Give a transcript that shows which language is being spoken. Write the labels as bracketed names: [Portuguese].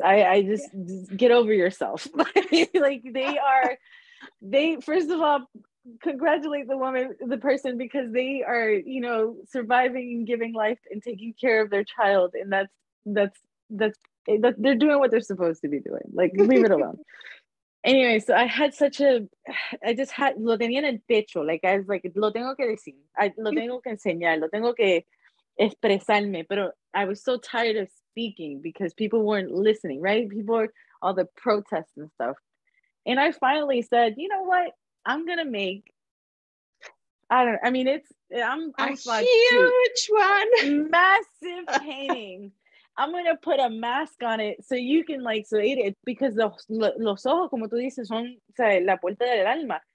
[English] I just get over yourself. Like, first of all, congratulate the person, because they are, you know, surviving and giving life and taking care of their child. And that's they're doing what they're supposed to be doing. Like, leave it alone. Anyway, so I had [Spanish] lo tenía en el pecho. [English] Like, I was like, [Spanish] lo tengo que decir, lo tengo que enseñar, lo tengo que expresarme. [English] But I was so tired of speaking because people weren't listening, right? People, all the protests and stuff. And I finally said, you know what? I'm going to make, a huge one. Massive painting. I'm going to put a mask on it so you can, like, so eat it, because [Spanish] los ojos, como tú dices, son, o sea, la puerta del alma.